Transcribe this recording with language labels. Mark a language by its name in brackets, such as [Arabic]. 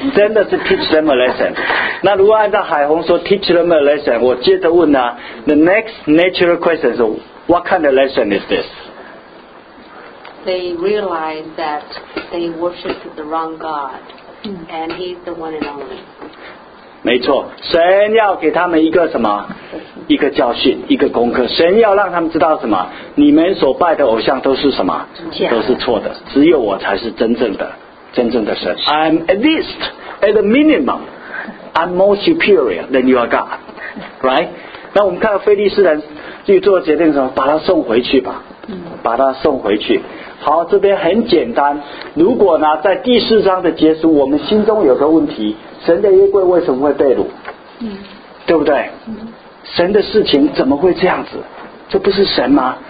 [Chinese] 真的是 [English] teach them a lesson. [Chinese] 那如果按照海虹说 teach them a lesson， 我接着问呢、啊、， [English] the next natural question [Chinese] 是。 [English] What kind of lesson is this? They realize that they worship the wrong God, and He's the one and only. [Chinese] 没错，神要给他们一个什么？一个教训，一个功课。神要让他们知道什么？你们所拜的偶像都是什么？都是错的，只有我才是真正的，真正的神。 [English] I'm at least, at the minimum, I'm more superior than your God, right? [Chinese] 那我们看到非利士人去做决定的时候，把他送回去吧，把他送回去。好，这边很简单，如果呢在第四章的结束，我们心中有个问题，神的约柜为什么会被掳、对不对、神的事情怎么会这样子，这不是神吗？